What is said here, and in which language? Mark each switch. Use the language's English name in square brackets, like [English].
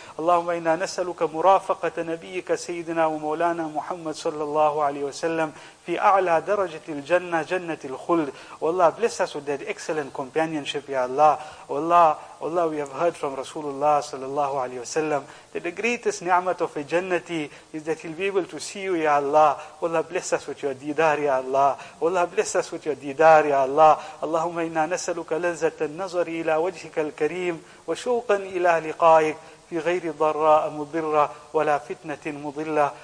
[Arabic] اللهم إنا نسألك مرافقة نبيك سيدنا ومولانا محمد صلى الله عليه وسلم في أعلى درجة الجنة جنة الخلد. [English] والله bless us with that excellent companionship, Ya Allah. والله we have heard from رسول الله صلى الله عليه وسلم that the greatest ni'mat of a jannati is that he'll be able to see you, Ya Allah. والله bless us with your didar, Ya Allah. والله bless us with your didar, Ya Allah. [Arabic] اللهم إنا نسألك لذة النظر إلى وجهك الكريم وشوقا إلى لقائك في غير ضراء مضرة ولا فتنة مضلة.